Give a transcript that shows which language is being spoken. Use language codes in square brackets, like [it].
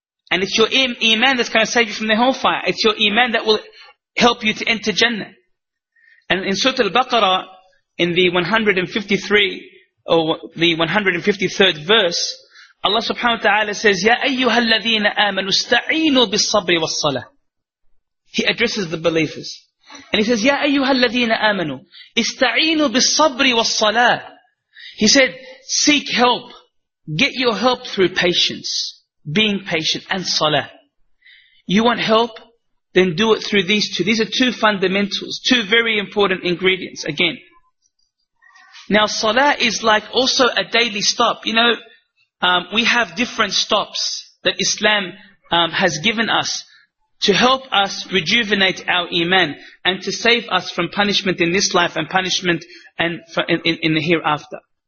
[en] And it's your iman that's going to save you from the hellfire. It's your iman that will help you to enter Jannah. And in Surah Al-Baqarah, in the 153 or the 153rd verse, Allah subhanahu wa ta'ala says, [ar] يَا أَيُّهَا الَّذِينَ آمَنُوا اسْتَعِينُوا بِالصَّبْرِ وَالصَّلَةِ. [en] He addresses the believers. And he says, [ar] يَا أَيُّهَا الَّذِينَ آمَنُوا اسْتَعِينُوا بِالصَّبْرِ وَالصَّلَةِ. [en] He said, seek help. Get your help through patience. Being patient and salah. You want help? Then do it through these two. These are two fundamentals, two very important ingredients. Again. Now salah is like also a daily stop. You know, we have different stops that Islam has given us to help us rejuvenate our iman and to save us from punishment in this life and punishment and in the hereafter.